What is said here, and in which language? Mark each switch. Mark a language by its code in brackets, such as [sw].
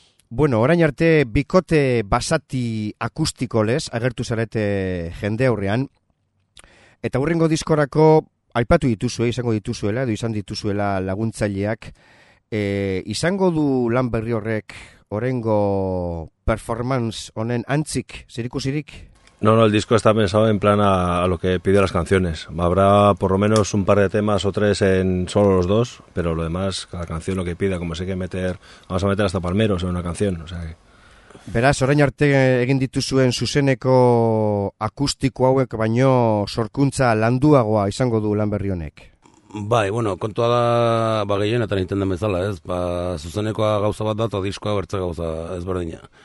[eu] Bueno, orain arte bikote basati akustiko lez, agertu zarete jende aurrean, eta hurrengo diskorako aipatu dituzue, izango dituzuela, edo izan dituzuela laguntzaileak, izango du lan berri horrek, orengo performance honen antzik, zirikusirik? [es] No, el disco está pensado en plan a lo que pide las canciones. Habrá por lo menos un par de temas o tres en solo los dos, pero lo demás, cada canción lo que pida, como sé que meter, vamos a meter hasta palmeros en una canción. O sea que... [eu] Beraz, orain arte egin dituzuen zuzeneko akustiko hauek, baino sorkuntza landuagoa izango du lan berri honek. Bai, bueno, kontua da, ba, gehienetan egiten den bezala, ez? Ba, zuzenekoa gauza bat da, eta diskoa bertze gauza ezberdina.